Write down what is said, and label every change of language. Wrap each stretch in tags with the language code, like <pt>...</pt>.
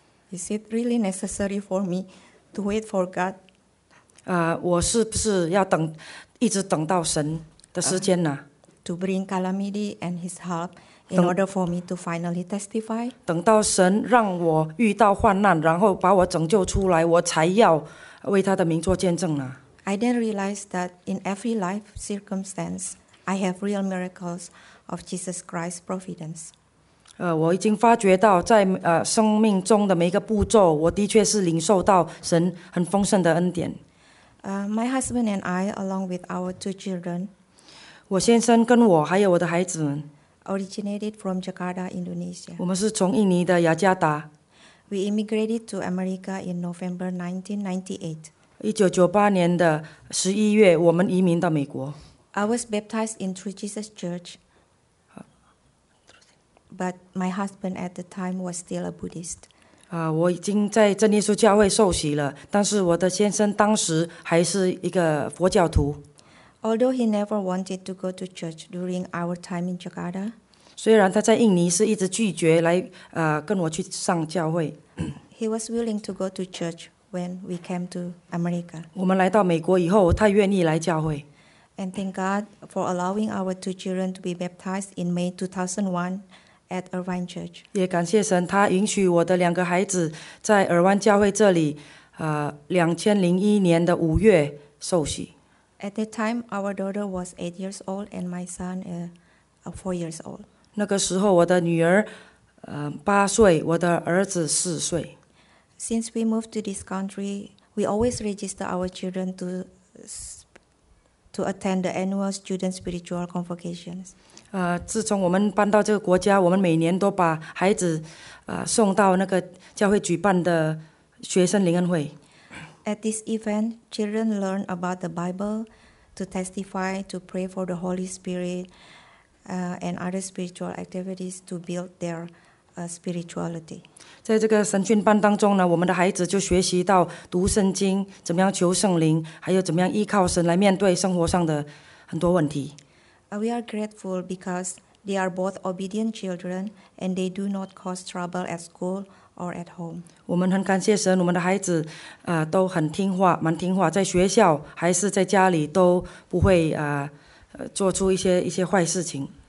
<en>，Is it really necessary for me to wait for God?</en> <zh>我是不是要等，一直等到神的时间呢</zh> <en>？To bring calamity and His help in order for me to finally testify.</en> <zh>等到神让我遇到患难，然后把我拯救出来，我才要。为他的名做见证呢。</zh> <en>I then realized that in every life circumstance, I have real miracles of Jesus Christ's providence.</en> <zh>我已经发觉到在生命中的每一个步骤，我的确是领受到神很丰盛的恩典。</zh> <en>My husband and I, along with our two children,</en> <zh>我先生跟我还有我的孩子们</zh> <en>originated from Jakarta, Indonesia.</en> <zh>我们是从印尼的雅加达。</zh> <en>We immigrated to America in November 1998.</en> <zh>1998年的11月，我们移民到美国。</zh> <en>I was baptized in True Jesus Church, but my husband at the time was still a Buddhist.</en> <zh>我已经在真耶稣教会受洗了，但是我的先生当时还是一个佛教徒。</zh> <en>Although he never wanted to go to church during our time in Jakarta.</en> <zh>虽然他在印尼是一直拒绝来跟我去上教会。</zh> <en>He was willing to go to church when we came to America.</en> <zh>我们来到美国以后，他愿意来教会。</zh> <en>And thank God for allowing our two children to be baptized in May 2001 at Irvine Church.</en> <zh>也感谢神，他允许我的两个孩子在尔湾教会这里，2001年的五月受洗。</zh> <en>At that time, our daughter was 8 years old and my son, 4 years old.</en> <zh>那个时候，我的女儿，八岁，我的儿子四岁。</zh> <en>Since we moved to this country, we always register our children to attend the annual student spiritual convocations.</en> <zh>自从我们搬到这个国家，我们每年都把孩子，送到那个教会举办的学生灵恩会。</zh> <en>At this event, children learn about the Bible, to testify, to pray for the Holy Spirit. And other spiritual activities to build their spirituality.</en> <zh>在这个神训班当中呢，我们的孩子就学习到读圣经，怎么样求圣灵，还有怎么样依靠神来面对生活上的很多问题。</zh> <en>We are grateful because they are both obedient children and they do not cause trouble at school or at home.</en> <zh>我们很感谢神，我们的孩子都很听话，蛮听话，在学校还是在家里都不会做出一些坏事情。</zh>